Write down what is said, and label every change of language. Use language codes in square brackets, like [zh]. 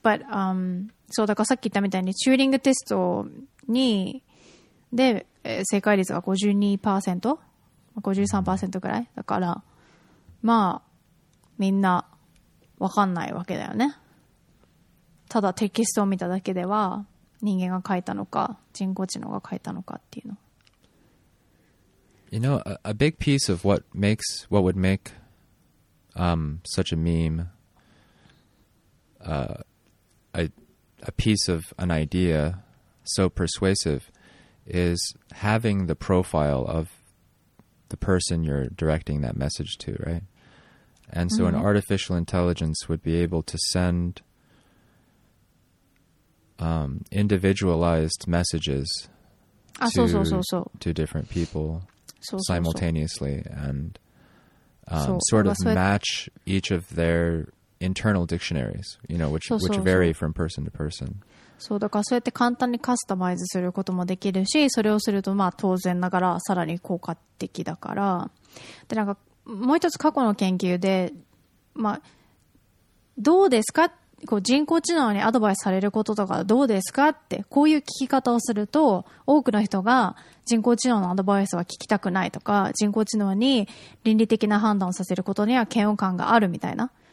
[en] But [ja] そうだからさっき言ったみたいにチューリングテストにで正解率が 52%、 53% ぐらいだから、まあみんな分かんないわけだよね。ただテキストを見ただけでは人間が書いたのか人工知能が書いたのかっていうの。 [en] You know, a big piece of what would make such a meme a piece of an idea so persuasive is having the profile of the person you're directing that message to, right? And so an artificial intelligence would be able to send individualized messages to different people simultaneously and sort of match each of their internal dictionaries, you know, which vary from person to person. [ja] そうだからそうやって簡単にカスタマイズすることもできるし、それをするとまあ当然ながらさらに効果的だから。でなんかもう一つ過去の研究で、まあどうですか、こう人工知能にアドバイスされることとかどうですかって、こういう聞き方をすると多くの人が人工知能のアドバイスは聞きたくないとか、人工知能に倫理的な判断をさせることには嫌悪感があるみたいな。